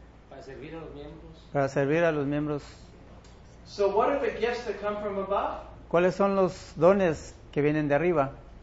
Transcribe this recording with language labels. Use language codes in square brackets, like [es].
[es] Para servir a los miembros. [en] So what are the gifts that come from above? [es] ¿Cuáles son los dones que vienen de arriba?